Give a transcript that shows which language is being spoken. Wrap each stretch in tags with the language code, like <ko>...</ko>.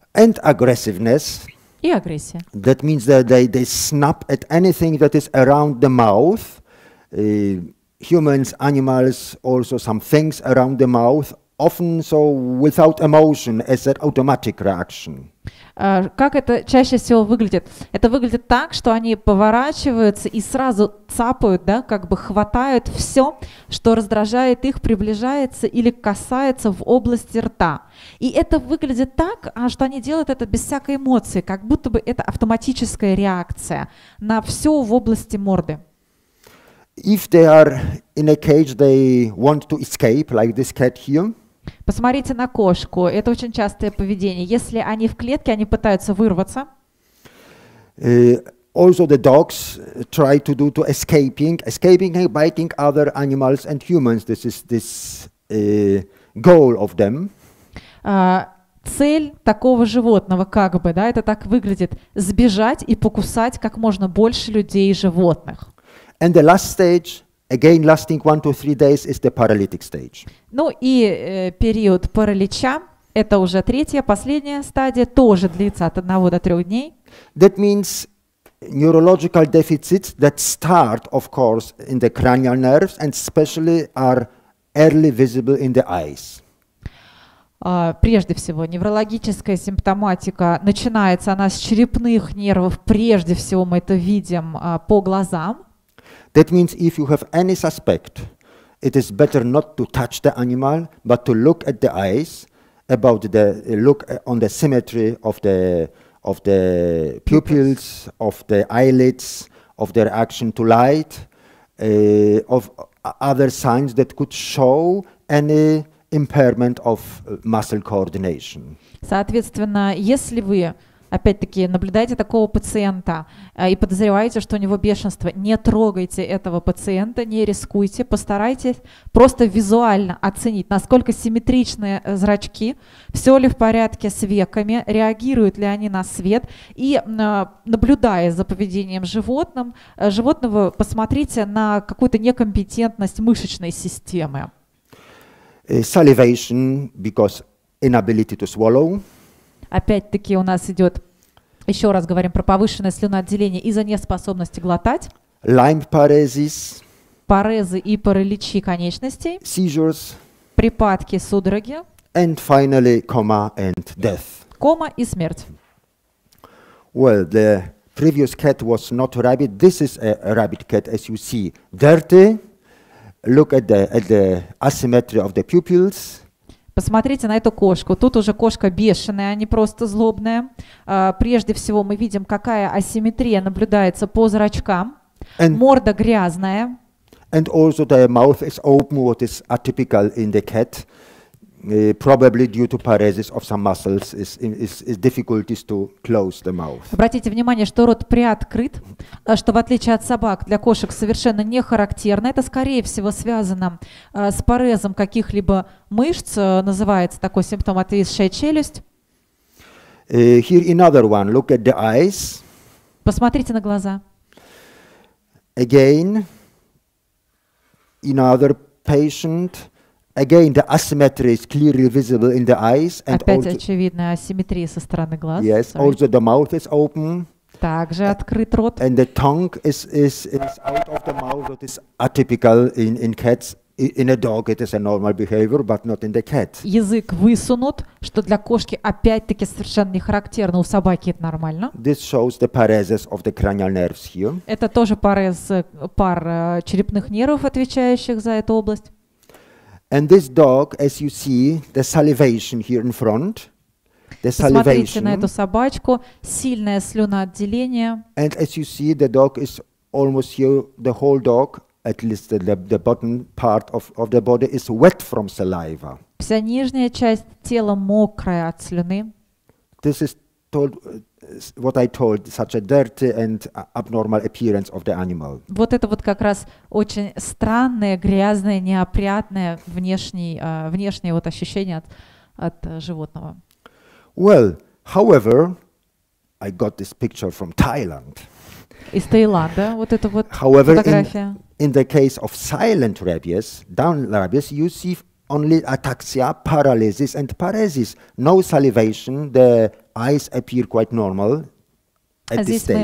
<en>And aggressiveness.</en> <ru>И агрессия.</ru> <en>That means that they snap at anything that is around the mouth. Humans, animals, also some things around the mouth. Often so without emotion, as an automatic reaction.</en> <ru>Как это чаще всего выглядит? Это выглядит так, что они поворачиваются и сразу цапают, да, как бы хватают все, что раздражает их, приближается или касается в области рта. И это выглядит так, что они делают это без всякой эмоции, как будто бы это автоматическая реакция на все в области морды.</ru> <en>If they are in a cage, they want to escape, like this cat here.</en> <ru>Посмотрите на кошку. Это очень частое поведение. Если они в клетке, они пытаются вырваться.</ru> <en>Also the dogs try to do to escaping and biting other animals and humans. This goal of them.</en> <ru>Цель такого животного, как бы, да, это так выглядит: сбежать и покусать как можно больше людей и животных.</ru> <en>And the last stage, again lasting 1 to 3 days, is the paralytic stage.</en> <ru>Ну и период паралича. Это уже третья, последняя стадия, тоже длится от 1 до 3 дней.</ru> <en>That means neurological deficits that start, of course, in the cranial nerves and especially are early visible in the eyes.</en> <ru>Прежде всего, неврологическая симптоматика начинается она с черепных нервов. Прежде всего, мы это видим по глазам.</ru> <en>That means if you have any suspect, it is better not to touch the animal, but to look at the eyes, about the look on the symmetry of the pupils, of the eyelids, of the reaction to light, of other signs that could show any impairment of muscle coordination.</en> <ru>Соответственно, если вы опять-таки наблюдаете такого пациента и подозреваете, что у него бешенство, не трогайте этого пациента, не рискуйте, постарайтесь просто визуально оценить, насколько симметричны зрачки, все ли в порядке с веками, реагируют ли они на свет, и наблюдая за поведением животного, посмотрите на какую-то некомпетентность мышечной системы.</ru> <en>Salivation, because inability to swallow.</en> <ru>Опять-таки у нас идет, еще раз говорим про повышенное слюноотделение из-за неспособности глотать.</ru> <en>Lyme paresis.</en> <ru>Парезы и параличи конечностей.</ru> <en>Seizures.</en> <ru>Припадки, судороги.</ru> <en>And finally, coma and death.</en> <ru>Кома и смерть.</ru> <en>Well, the previous cat was not a rabbit. This is a rabbit cat, as you see. Dirty. Look at the asymmetry of the pupils.</en> <ru>Посмотрите на эту кошку. Тут уже кошка бешеная, а не просто злобная. Прежде всего мы видим, какая асимметрия наблюдается по зрачкам.</ru> <en>And</en> <ru>морда грязная.</ru> <en>And also the mouth is open, what is atypical in the cat. Probably due to paresis of some muscles, is difficulties to close the mouth.</en> <ru>Обратите внимание, что рот приоткрыт, что в отличие от собак для кошек совершенно не характерно. Это, скорее всего, связано с парезом каких-либо мышц, называется такой симптом отвисшая челюсть.</ru> <en>Here another one. Look at the eyes.</en> <ru>Посмотрите на глаза.</ru> <en>Again, another patient. Again, the asymmetry is clearly visible in the eyes, and</en> <ru>опять очевидная асимметрия со стороны глаз.</ru> <en>Yes, sorry. Also the mouth is open.</en> <ru>Также открыт рот.</ru> <en>And the tongue is out of the mouth, which is atypical in cats. In a dog it is a normal behavior, but not in the cat.</en> <ru>Язык высунут, что для кошки опять-таки совершенно не характерно. У собаки это нормально.</ru> <en>This shows the paresis of the cranial nerves here.</en> <ru>Это тоже парез пар черепных нервов, отвечающих за эту область.</ru> <en>And this dog, as you see, the salivation here in front, the salivation.</en> <ru>Посмотрите на эту собачку, сильное слюноотделение.</ru> <en>And as you see, the dog is almost here, the whole dog, at least the bottom part of the body is wet from saliva.</en> <ru>Вся нижняя часть тела мокрая от слюны.</ru> <en>This is told, what I told, such a dirty and abnormal appearance of the animal.</en> <ru>Вот это вот как раз очень странное, грязное, неопрятное внешнее вот ощущение от животного.</ru> <en>Well, however, I got this picture from Thailand.</en> <ru>Из Таиланда вот эта вот</ru> <en>however,</en> <ru>фотография.</ru> <en>In the case of silent rabies, down rabies, you see only ataxia, paralysis and paresis. No salivation, the eyes appear quite normal at this stage.</en>